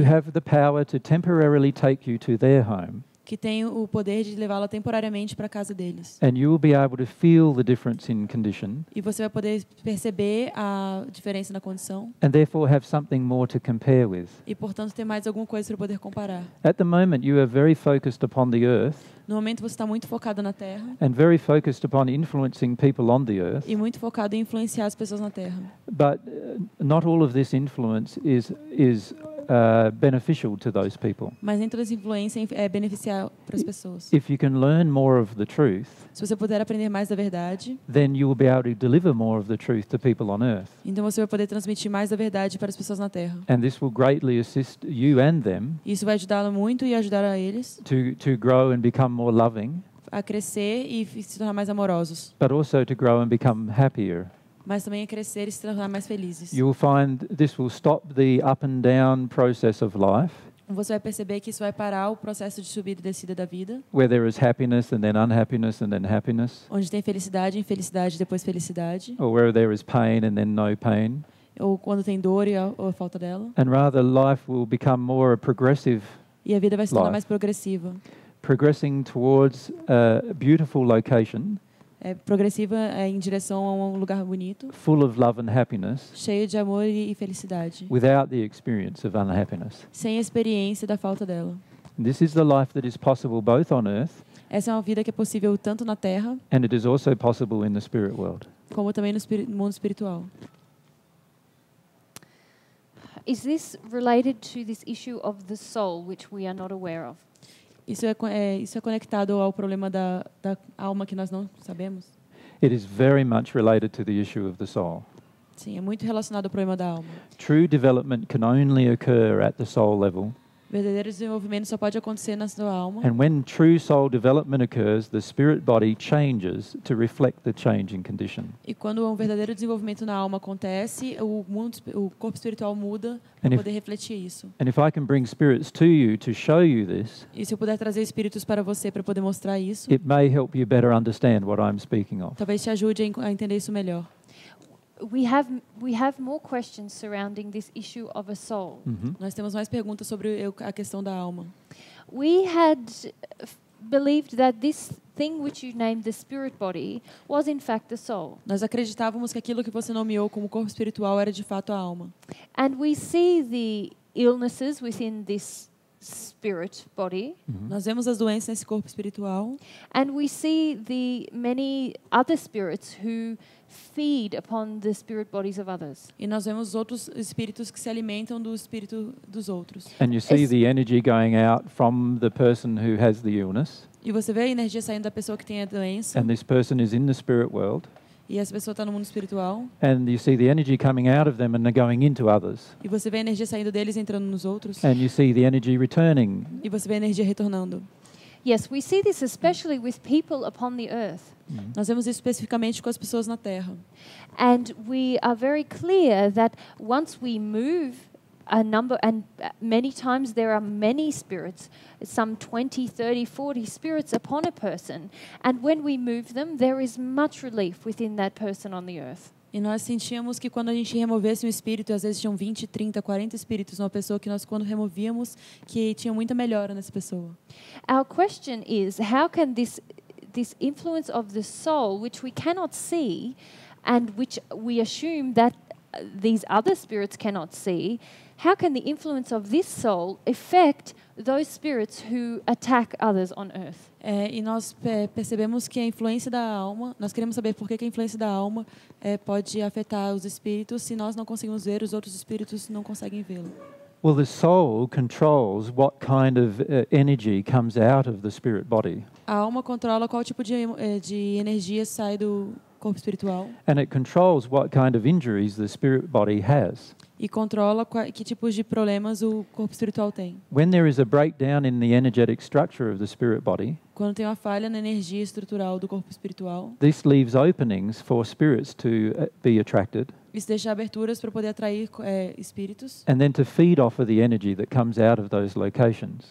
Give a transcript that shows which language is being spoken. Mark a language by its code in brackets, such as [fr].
[en] Who have the power to temporarily take you to their home. [pt] Que tem o poder de levá-la temporariamente para a casa deles. [en] And you will be able to feel the difference in condition. [pt] E você vai poder perceber a diferença na condição. [en] And therefore have something more to compare with. [pt] E portanto ter mais alguma coisa para poder comparar. [en] At the moment you are very focused upon the earth. [pt] No momento você está muito focado na Terra. [en] And very focused upon influencing people on the earth. [pt] E muito focado em influenciar as pessoas na Terra. [en] But not all of this influence is beneficial to those people. [pt] Mas nem toda essa influência é beneficial para as pessoas. [en] If you can learn more of the truth, [pt] se você puder aprender mais da verdade, [en] then you will be able to deliver more of the truth to people on earth. [pt] Então você vai poder transmitir mais da verdade para as pessoas na Terra. [en] And this will greatly assist you and them. [pt] Isso vai ajudá-lo muito e ajudar a eles. [en] To grow and become more loving. [pt] A crescer e se tornar mais amorosos. [en] But also to grow and become happier. [pt] Mas também a crescer e se tornar mais felizes. [en] You will find this will stop the up and down process of life. [pt] Você vai perceber que isso vai parar o processo de subida e descida da vida. [en] Where there is happiness and then unhappiness and then happiness. [pt] Onde tem felicidade, infelicidade, depois felicidade. [en] Or where there is pain and then no pain. [pt] Ou quando tem dor e a falta dela. [en] And rather life will become more a progressive. [pt] E a vida vai se tornar mais progressiva. [en] Progressing towards a beautiful location. [pt] É progressiva em direção a um lugar bonito. [en] Full of love and happiness. [pt] Cheio de amor e felicidade. [en] Without the experience of unhappiness. [pt] Sem a experiência da falta dela. [en] This is the life that is possible both on earth. [pt] Essa é uma vida que é possível tanto na Terra. [en] And it is also possible in the spirit world. [pt] Como também no mundo espiritual. [en] Is this related to this issue of the soul which we are not aware of? [pt] Isso é conectado ao problema da alma que nós não sabemos? [en] It is very much related to the issue of the soul. [pt] Sim, é muito relacionado ao problema da alma. [en] True development can only occur at the soul level. [pt] Verdadeiro desenvolvimento só pode acontecer na sua alma. [en] And when true soul development occurs, the spirit body changes to reflect the changing condition. [pt] E quando um verdadeiro desenvolvimento na alma acontece, o corpo espiritual muda para poder refletir isso. [en] And if I can bring spirits to you to show you this, [pt] e se eu puder trazer espíritos para você para poder mostrar isso, [en] it may help you better understand what I'm speaking of. [pt] Talvez te ajude a entender isso melhor. [en] We have more questions surrounding this issue of a soul. Mm-hmm. [pt] Nós temos mais perguntas sobre a questão da alma. [en] We had believed that this thing which you named the spirit body was in fact the soul. [pt] Nós acreditávamos que aquilo que você nomeou como corpo espiritual era de fato a alma. [en] And we see the illnesses within this spirit body. Mm-hmm. [pt] Nós vemos as doenças nesse corpo espiritual. [en] And we see the many other spirits who feed upon the spirit bodies of others. [pt] E nós vemos outros espíritos que se alimentam do espírito dos outros. [en] And you see the energy going out from the person who has the illness. [pt] E você vê a energia saindo da pessoa que tem a doença. [en] And this person is in the spirit world. [pt] E essa pessoa está no mundo espiritual. [en] And you see the energy coming out of them and going into others. [pt] E você vê a energia saindo deles e entrando nos outros. [en] And you see the energy returning. [pt] E você vê a energia retornando. [en] Yes, we see this especially with people upon the earth. Mm-hmm. [pt] Nós vemos isso especificamente com as pessoas na Terra. [en] And we are very clear that once we move a number and many times there are many spirits, some 20, 30, 40 spirits upon a person, and when we move them there is much relief within that person on the earth. [pt] E nós sentíamos que quando a gente removesse um espírito, às vezes tinham 20, 30, 40 espíritos numa pessoa que nós quando removíamos que tinha muita melhora nessa pessoa. [en] Our question is how can this influence of the soul which we cannot see and which we assume that these other spirits cannot see, How can the influence of this soul affect those spirits who attack others on earth? [pt] E nós percebemos que a influência da alma, nós queremos saber por que a influência da alma pode afetar os espíritos se nós não conseguimos ver, os outros espíritos não conseguem vê-lo. [en] Well, the soul controls what kind of energy comes out of the spirit body. [pt] A alma controla qual tipo de energia sai do corpo espiritual. [en] And it controls what kind of injuries the spirit body has. [pt] E controla que tipos de problemas o corpo espiritual tem. [en] When there is a breakdown in the energetic structure of the spirit body, [pt] quando tem uma falha na energia estrutural do corpo espiritual, [en] this leaves openings for spirits to be attracted. [pt] Isso deixa aberturas para poder atrair espíritos. [en] And then to feed off of the energy that comes out of those locations.